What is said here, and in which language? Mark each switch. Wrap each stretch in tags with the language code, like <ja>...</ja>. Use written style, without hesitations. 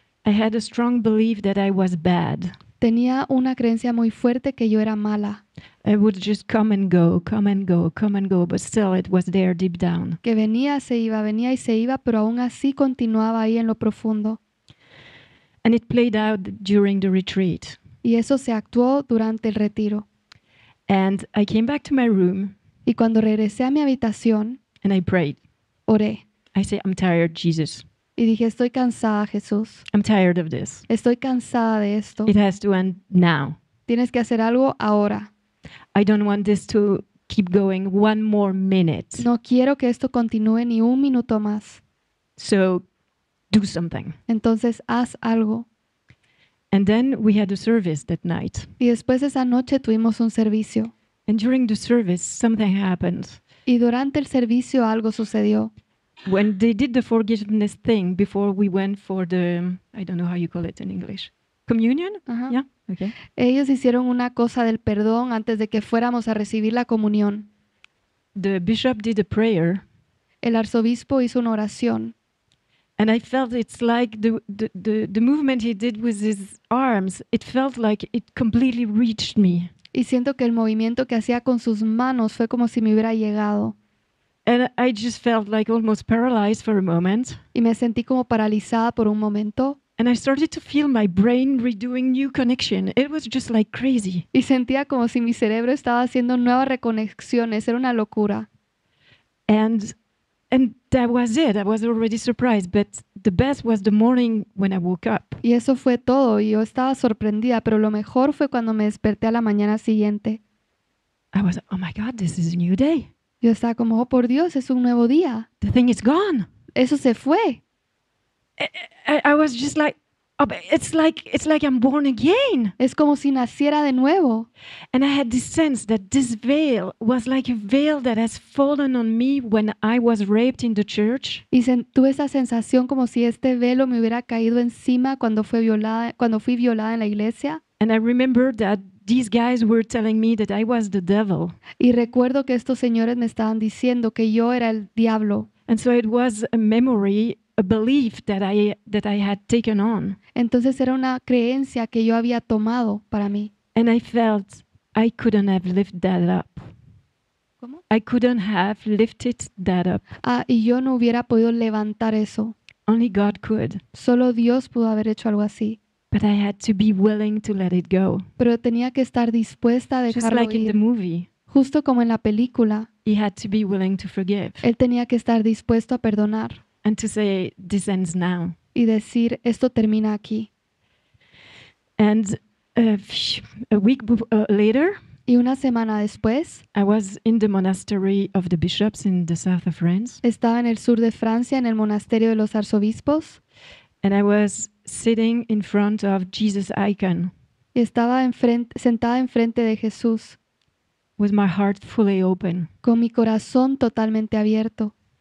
<en>I had a strong belief that I was bad.</en> <es>Tenía una creencia muy fuerte que yo era mala.</es> <en>It would just come and go, come and go, come and go, but still it was there deep down.</en> <es>Que venía y se iba, pero aún así continuaba ahí en lo profundo.</es> <en>And it played out during the retreat.</en> <es>Y eso se actuó durante el retiro.</es> <en>And I came back to my room.</en> <es>Y cuando regresé a mi habitación.</es> <en>And I prayed.</en> <es>Oré.</es> <en>I said, I'm tired, Jesus.</en> <es>Y dije, estoy cansada, Jesús.</es> <en>I'm tired of this.</en> <es>Estoy cansada de esto.</es> <en>It has to end now.</en> <es>Tienes que hacer algo ahora.</es> <en>I don't want this to keep going one more minute.</en> <es>No quiero que esto continúe ni un minuto más.</es> <en>So, do something.</en> <es>Entonces, haz algo.</es> <en>And then we had a service that night.</en> <es>Y después esa noche tuvimos un servicio.</es> <en>And during the service, something happened.</en> <es>Y durante el servicio algo sucedió.</es> <en>When they did the forgiveness thing before we went for the, I don't know how you call it in English, communion? Uh-huh. Yeah, okay.</en> <es>Ellos hicieron una cosa del perdón antes de que fuéramos a recibir la comunión.</es> <en>The bishop did a prayer.</en> <es>El arzobispo hizo una oración.</es> <en>And I felt it's like the movement he did with his arms, it felt like it completely reached me.</en> <es>Y siento que el movimiento que hacía con sus manos fue como si me hubiera llegado.</es> <en>And I just felt like almost paralyzed for a moment. Y me sentí como paralizada por un momento. And I started to feel my brain redoing new connection. It was just like crazy.</en> <es>Y sentía como si mi cerebro estaba haciendo nuevas reconexiones. Era una locura.</es> <en>And that was it. I was already surprised. But the best was the morning when I woke up.</en> <es>Y eso fue todo. Y yo estaba sorprendida. Pero lo mejor fue cuando me desperté a la mañana siguiente.</es> <en>I was, oh my God, this is a new day.</en> <es>Yo estaba como, oh, por Dios, es un nuevo día.</es> <en>The thing is gone.</en> <es>Eso se fue.</es> <en>I was just like, oh, it's like I'm born again.</en> <es>Es como si naciera de nuevo.</es> <en>And I had this sense that this veil was like a veil that has fallen on me when I was raped in the church.</en> <es>Y tuve esa sensación como si este velo me hubiera caído encima cuando fui violada en la iglesia.</es> <en>And I remember that these guys were telling me that I was the devil.</en> <es>Y recuerdo que estos señores me estaban diciendo que yo era el diablo.</es> <en>And so it was a memory, a belief that I had taken on.</en> <es>Entonces era una creencia que yo había tomado para mí.</es> <en>And I felt I couldn't have lifted that up.</en> <es>¿Cómo?</es> <en>I couldn't have lifted that up.</en> <es>Ah, y yo no hubiera podido levantar eso.</es> <en>Only God could.</en> <es>Solo Dios pudo haber hecho algo así.</es> <en>But I had to be willing to let it go.</en> <es>Pero tenía que estar dispuesta a dejarlo</es> <en>ir. Just like in the movie.</en> <es>Justo como en la película.</es> <en>He had to be willing to forgive.</en> <es>Él tenía que estar dispuesto a perdonar.</es> <en>And to say, this ends now.</en> <es>Y decir, esto termina aquí.</es> <en>And a week later.</en> <es>Y una semana después.</es> <en>I was in the monastery of the bishops in the south of France.</en> <es>Estaba en el sur de Francia, en el monasterio de los arzobispos.</es> <en>And I was sitting in front of Jesus' icon.</en> <es>Estaba sentada enfrente de Jesús.</es> <en>With my heart fully open.</en> <es>Con mi corazón totalmente abierto.</es>